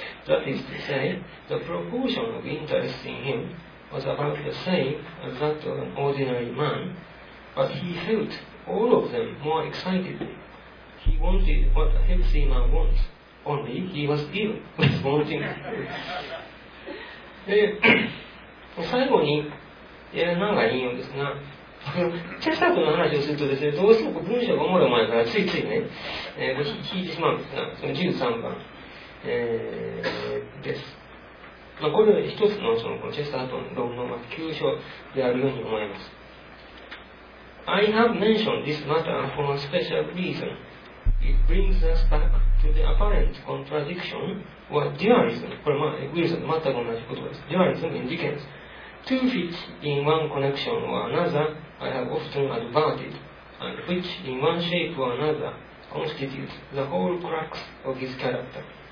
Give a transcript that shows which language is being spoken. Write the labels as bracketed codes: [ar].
[en] That is to say, the proportion of interest in him was about the same as that of an ordinary man, but he feltall of them more excited. He wanted what a healthy man wants, only he was ill with wanting. [ja] で、最後に、長い引用ですが、チェスタートの話をするとですね、どうしても文章がおもろい前からついついね、聞いてしまうんですが、その13番、です。まあ、これは一つの、このチェスタートの論文の急所であるように思います。 [en] I have mentioned this matter for a special reason. It brings us back to the apparent contradiction or dualism, [ja] これは、Wilson と全く同じ言葉です。 [en] Dualism in Dickens. Two feet in one connection or another I have often adverted, and which in one shape or another constitutes the whole crux of his character.